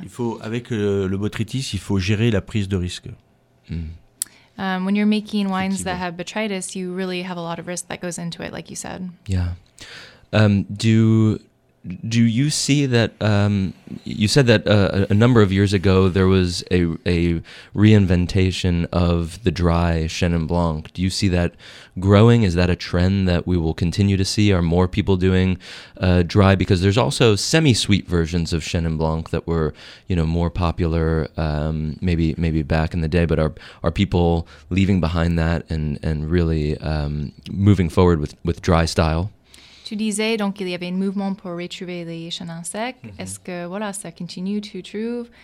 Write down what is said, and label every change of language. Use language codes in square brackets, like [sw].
[fr] Il faut, avec le botrytis, il faut gérer la prise de risque. [en] When you're making wines that have botrytis, you really have a lot of risk that goes into it, like you said. Yeah. Do do you see that, you said that a number of years ago there was a reinventation of the dry Chenin Blanc. Do you see that growing? Is that a trend that we will continue to see? Are more people doing dry? Because there's also semi-sweet versions of Chenin Blanc that were, you know, more popular maybe back in the day. But are people leaving behind that and really moving forward with dry style? [fr] Tu disais donc il y avait un mouvement pour retrouver les chenins secs. Mm-hmm. Est-ce que voilà ça continue tu trouves?